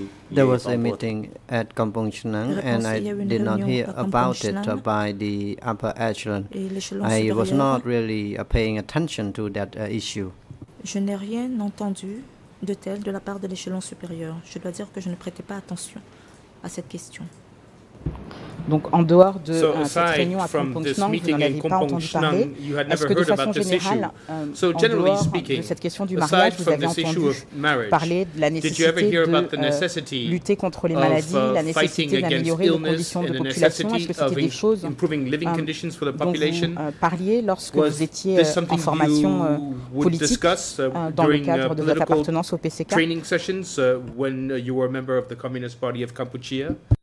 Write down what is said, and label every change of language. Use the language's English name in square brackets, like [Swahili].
[English] There was a meeting at Kampong Chhnang and I did not hear about it by the upper echelon. I was not really paying attention to that issue. [French] Je n'ai rien entendu de tel de la part de l'échelon supérieur. Je dois dire que je ne prêtais pas attention à cette question. Donc en dehors de cette réunion à Kampong Chhnang, vous n'en aviez pas entendu parler. Est-ce que de façon générale, en dehors de cette question du mariage, vous avez entendu parler de la nécessité de lutter contre les maladies, la nécessité d'améliorer les conditions de population? Est-ce que c'était des choses dont vous parliez lorsque vous étiez en formation politique dans le cadre de votre appartenance au PCK? [English] Training sessions when you were a member of the Communist Party of Kampuchea?